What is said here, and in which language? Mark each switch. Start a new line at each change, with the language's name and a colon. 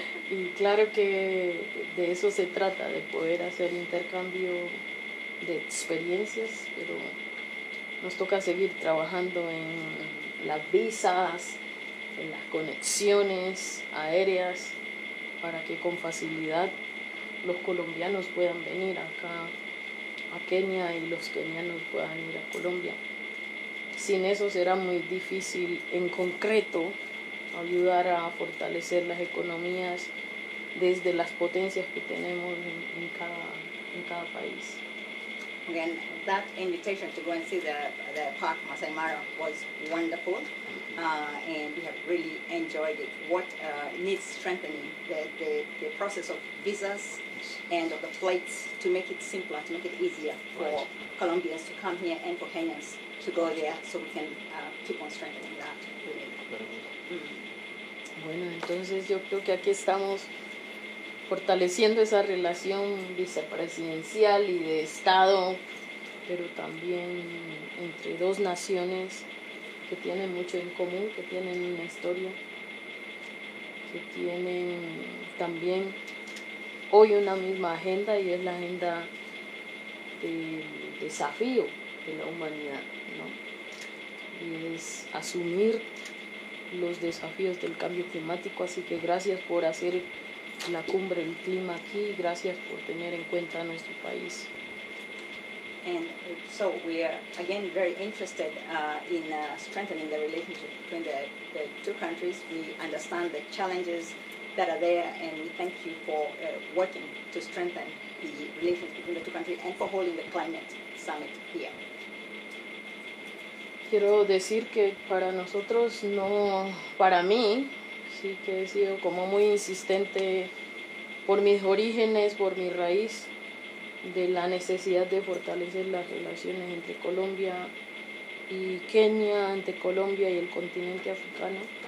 Spanish: Y claro que de eso se trata, de poder hacer intercambio de experiencias, pero nos toca seguir trabajando en las visas, en las conexiones aéreas, para que con facilidad los colombianos puedan venir acá a Kenia y los kenianos puedan ir a Colombia. Sin eso será muy difícil en concreto ayudar a fortalecer las economías desde las potencias que tenemos en cada país.
English: Again, that invitation to go and see the park Masai Mara was wonderful, and we have really enjoyed it. What needs strengthening, the process of visas and of the flights to make it simpler, to make it easier for right. Colombians to come here and for Kenyans to go there, so we can keep on strengthening that.
Spanish: Bueno, entonces yo creo que aquí estamos fortaleciendo esa relación vicepresidencial y de Estado, pero también entre dos naciones que tienen mucho en común, que tienen una historia, que tienen también hoy una misma agenda, y es la agenda del desafío de la humanidad, ¿no? Y es asumir los desafíos del cambio climático. Así que gracias por hacer la cumbre del clima aquí, gracias por tener en cuenta a nuestro país.
English: And so we are again very interested in strengthening the relationship between the two countries. We understand the challenges that are there, and we thank you for working to strengthen the relationship between the two countries and for holding the climate summit here.
Spanish: Quiero decir que para nosotros, no, para mí, sí que he sido como muy insistente por mis orígenes, por mi raíz, de la necesidad de fortalecer las relaciones entre Colombia y Kenia, entre Colombia y el continente africano.